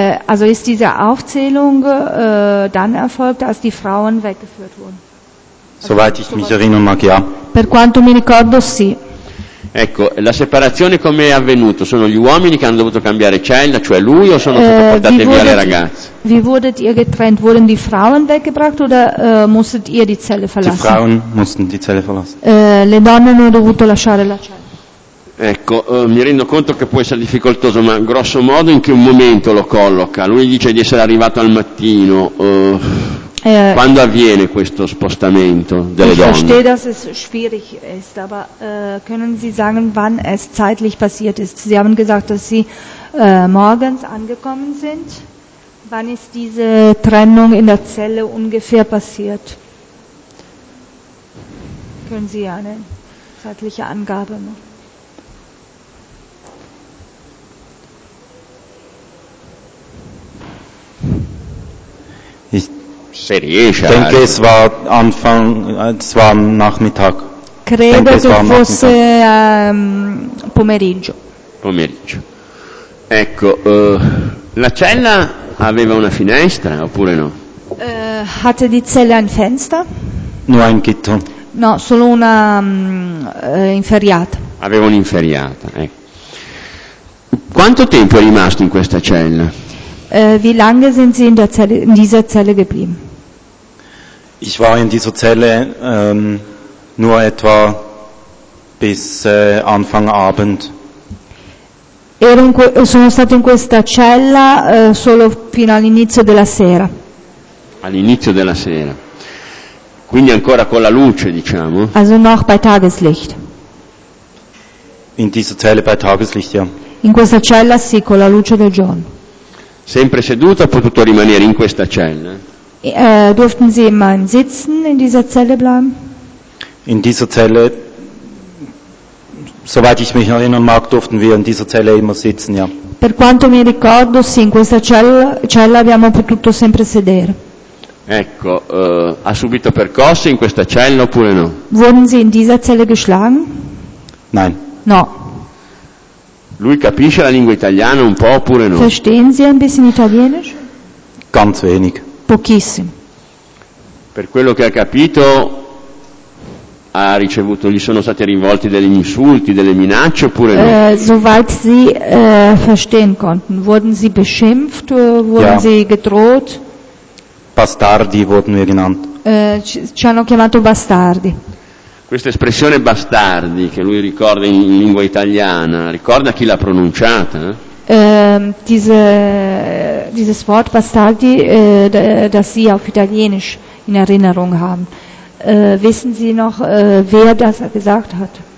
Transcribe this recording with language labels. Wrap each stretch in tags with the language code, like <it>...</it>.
<de>Also ist diese Aufzählung dann erfolgt, als die Frauen weggeführt wurden. Soweit ich mich erinnere, mag ja.</de> <it>Per quanto mi ricordo, sì. Ecco, la separazione come è avvenuto? Sono gli uomini che hanno dovuto cambiare cella, cioè lui, o sono state portate via le ragazze?</it> <de>Wie wurdet ihr getrennt? Wurden die Frauen weggebracht oder musstet ihr die Zelle verlassen? Die Frauen mussten die Zelle verlassen.</de> <it>Le donne hanno dovuto lasciare la cella. Ecco, mi rendo conto che può essere difficoltoso, ma grosso modo in che momento lo colloca? Lui dice di essere arrivato al mattino. Quando avviene questo spostamento delle donne?</it> <de>Ich verstehe, dass es schwierig ist, aber können Sie sagen, wann es zeitlich passiert ist? Sie haben gesagt, dass Sie morgens angekommen sind. Wann ist diese Trennung in der Zelle ungefähr passiert? Können Sie eine zeitliche Angabe machen?</de> <it>Se riesce,</it> <de>denke, es war Anfang, es war Nachmittag.</de> <it>Credo che fosse pomeriggio. Pomeriggio. Ecco, la cella aveva una finestra oppure no?</it> <de>Hatte die Zelle ein Fenster? Nur ein Gitter.</de> <it>No, solo una inferriata. Aveva un'inferriata, ecco. Quanto tempo è rimasto in questa cella?</it> <de>Wie lange sind Sie in dieser Zelle geblieben? Ich war in dieser Zelle nur etwa bis Anfang Abend.</de> <it>Sono stato in questa cella solo fino all'inizio della sera. All'inizio della sera. Quindi ancora con la luce, diciamo.</it> <de>Also noch bei Tageslicht. In dieser Zelle bei Tageslicht, ja.</de> <it>In questa cella, sì, con la luce del giorno. Sempre seduto, ha potuto rimanere in questa cella?</it> <de>Durften Sie immer sitzen in dieser Zelle bleiben? In dieser Zelle, soweit ich mich erinnern mag, durften wir in dieser Zelle immer sitzen, ja.</de> <it>Per quanto mi ricordo, sì, in questa cella abbiamo potuto sempre sedere. Ecco, ha subito percosse in questa cella oppure no?</it> <de>Wurden Sie in dieser Zelle geschlagen? Nein.</de> <it>No. Lui capisce la lingua italiana un po' oppure no?</it> <de>Verstehen Sie ein bisschen Italienisch? Ganz wenig.</de> <it>Pochissimo. Per quello che ha capito, ha ricevuto, gli sono stati rivolti degli insulti, delle minacce oppure no?</it> <de>Soweit Sie verstehen konnten, wurden Sie beschimpft, wurden ja. Sie gedroht? Bastardi wurden wir genannt.</de> <it>Ci hanno chiamato bastardi. questa espressione bastardi che lui ricorda in lingua italiana, ricorda chi l'ha pronunciata?</it> <de>Dieses Wort bastardi, das Sie auf Italienisch in Erinnerung haben. Wissen Sie noch, wer das gesagt hat?</de>